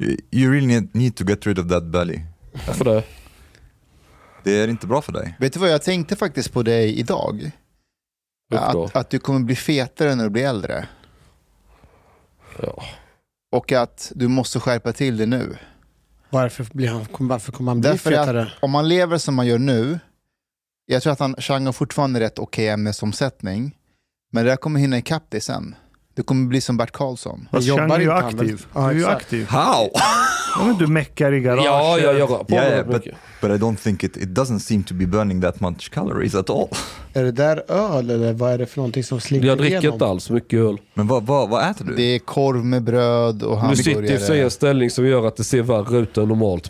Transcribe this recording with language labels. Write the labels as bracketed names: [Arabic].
[English] You really need to get rid of that belly. [Swedish] Varför det? Det är inte bra för dig. Vet du vad jag tänkte faktiskt på dig idag? Att du kommer bli fetare när du blir äldre. Ja. Och att du måste skärpa till det nu. Varför kommer han bli därför fetare? Att om man lever som man gör nu. Jag tror att han changar fortfarande rätt okej ämnesomsättning. Men det kommer hinna ikapp dig sen. Du kommer bli som Bert Karlsson. Jag jobbar ju aktiv. Ja, du är ju aktiv. [English] How? [Swedish] Ja, men du meckar i garaget. Ja, jag jobbar på [English] but I don't think it doesn't seem to be burning that much calories at all. [Swedish] Är det där öl eller vad är det för någonting som slinker igenom? Jag dricker inte alls mycket öl. Men vad äter du? Det är korv med bröd och hamburgare. Nu sitter jag i en ställning som gör att det ser värre ut än normalt.